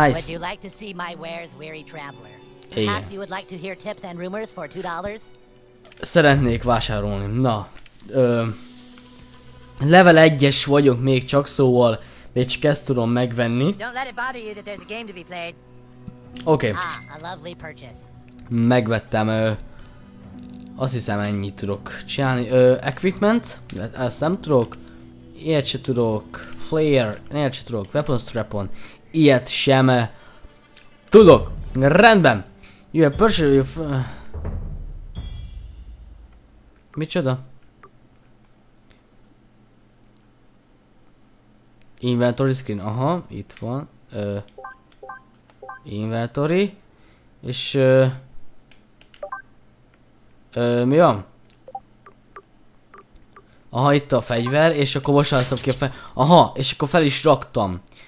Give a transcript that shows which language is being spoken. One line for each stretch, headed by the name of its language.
English: Would you like to see my wares, weary traveler? Perhaps you would like to hear tips and rumors for $2?
Hungarian: Szeretnék vásárolni. Na. Level 1-es vagyok még csak, szóval még csak ezt tudom megvenni.
English: Don't let it bother you that there's a game to be played. Okay. Ah, a lovely purchase.
Hungarian: Megvettem. Azt hiszem ennyit tudok csinálni. Equipment? Ezt nem tudok. Ilyet se tudok. Flare? Ilyet se tudok. Weapon strap-on? Ilyet sem. Tudok! Rendben!
English: You have purchased your
Hungarian: micsoda? Inventory screen, aha, itt van. Inventory. És mi van? Aha, itt a fegyver, és akkor most válszom ki a fe... Aha, és akkor fel is raktam.